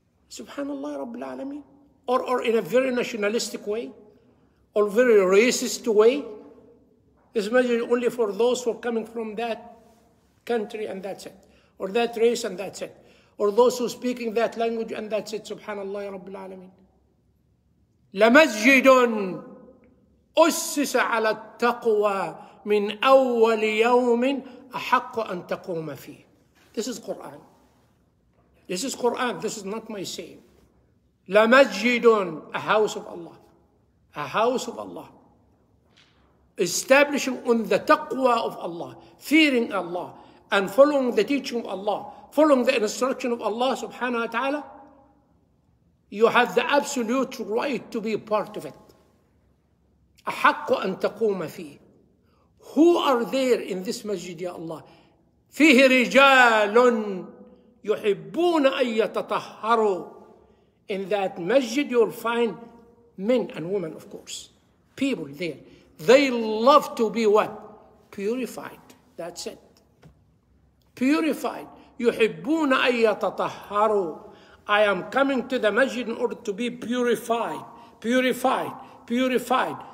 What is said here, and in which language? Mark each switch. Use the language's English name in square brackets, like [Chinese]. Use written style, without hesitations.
[Arabic] Subhanallah, Rabbil Alameen. [English] Or in a very nationalistic way, or very racist way. This masjid only for those who are coming from that country and that's it. Or that race and that's it. Or those who are speaking that language and that's it. [Arabic] Subhanallah, Rabbil Alameen. La masjidun ussisa ala taqwa من أول يوم أحق أن تقوم فيه. [English] This is Quran. This is Quran. This is not my saying. [Arabic] لمسجدٌ, [English] a house of Allah. A house of Allah. Establishing on the taqwa of Allah. Fearing Allah. And following the teaching of Allah. Following the instruction of Allah subhanahu wa ta'ala. You have the absolute right to be part of it. [Arabic] أحق أن تقوم فيه. [English] Who are there in this masjid, ya Allah? [Arabic] فيه رجال يحبون أن يتطهروا. [English] In that masjid, you'll find men and women, of course. People there. They love to be what? Purified. That's it. Purified. [Arabic] يحبون أن يتطهروا. [English] I am coming to the masjid in order to be purified. Purified. Purified.